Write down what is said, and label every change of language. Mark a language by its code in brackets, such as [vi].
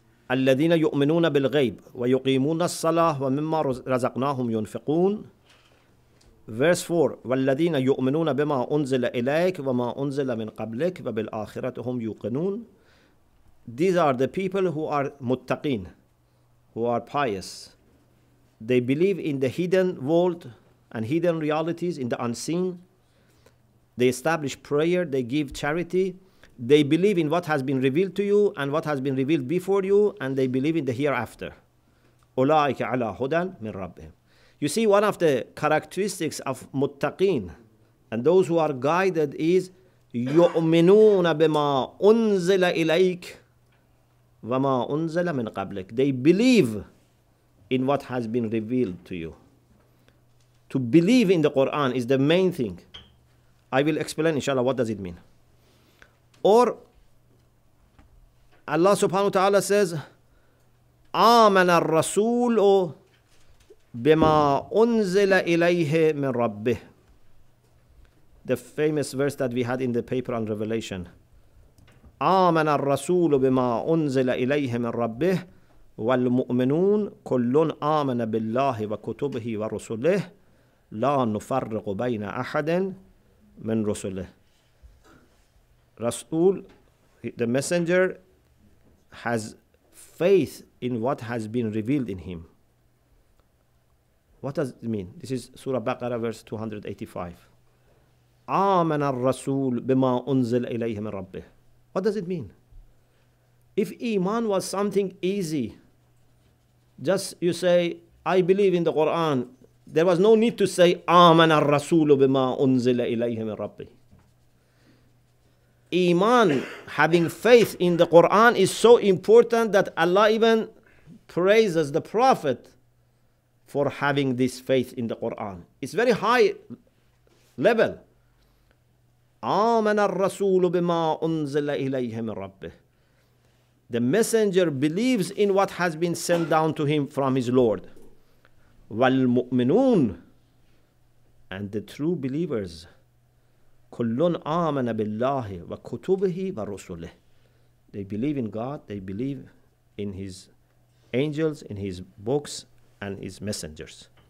[ar] الذين يؤمنون بالغيب ويقيمون الصلاة ومما رزقناهم ينفقون. [en] Verse 4. [ar] والذين يؤمنون بما أنزل إليك وما أنزل من قبلك وبالآخرة هم يوقنون. [en] These are the people who are muttaqin, who are pious. They believe in the hidden world and hidden realities, in the unseen. They establish prayer, they give charity. They believe in what has been revealed to you and what has been revealed before you, and they believe in the hereafter. [ar] أُولَٰئِكَ عَلَىٰ هُدًى مِنْ رَبِّهِمْ. [en] You see, one of the characteristics of muttaqin and those who are guided is [ar] يُؤْمِنُونَ بِمَا أُنزِلَ إِلَيْكَ وَمَا أُنزِلَ مِنْ قَبْلِكَ. [en] They believe in what has been revealed to you. To believe in the Quran is the main thing. I will explain, inshallah, what does it mean. Or Allah subhanahu wa ta'ala says, [ar] آمن الرسول بما أنزل إليه من ربه. [en] The famous verse that we had in the paper on Revelation. [ar] آمن الرسول بما أنزل إليه من ربه والمؤمنون كل آمن بالله وكتبه ورسله لا نفرق بين أحد من رسله. [en] Rasul, the messenger, has faith in what has been revealed in him. What does it mean? This is Surah Baqarah, verse 285. [ar] آمن الرسول بما أنزل إليه من ربه. [en] What does it mean? If Iman was something easy, just you say, I believe in the Quran, there was no need to say, [ar] آمن الرسول بما أنزل إليه من ربه. [en] Iman, having faith in the Quran, is so important that Allah even praises the Prophet for having this faith in the Quran. It's very high level. [ar] آمن الرسول بما أنزل إليه من ربه. [en] The messenger believes in what has been sent down to him from his Lord. [ar] والمؤمنون, [en] and the true believers, [ar] كُلُّنْ آمَنَ بِاللَّهِ وَكُتُبِهِ وَرُسُلِهِ. [en] They believe in God, they believe in His angels, in His books, and His messengers.